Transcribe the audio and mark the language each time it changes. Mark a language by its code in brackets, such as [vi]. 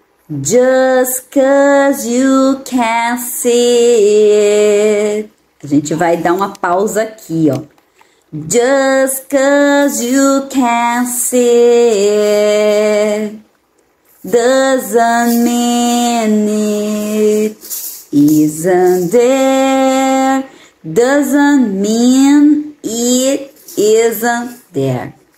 [en] Just 'cause you can't see it. [pt] A gente vai dar uma pausa aqui, ó. [en] Just 'cause you can't see it doesn't mean it isn't there. Doesn't mean it isn't there.